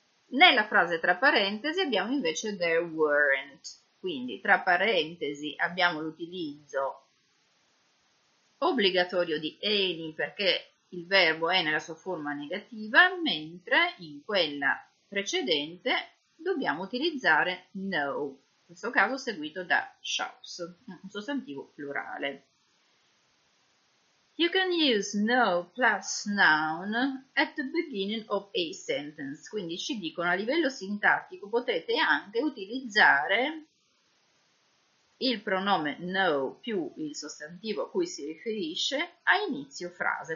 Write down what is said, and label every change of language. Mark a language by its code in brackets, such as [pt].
[it] Nella frase tra parentesi abbiamo invece [en] there weren't, [it] quindi tra parentesi abbiamo l'utilizzo obbligatorio di any perché il verbo è nella sua forma negativa, mentre in quella precedente dobbiamo utilizzare no, in questo caso seguito da shops, un sostantivo plurale. [en] You can use no plus noun at the beginning of a sentence. [it] Quindi ci dicono a livello sintattico potete anche utilizzare il pronome no più il sostantivo a cui si riferisce a inizio frase.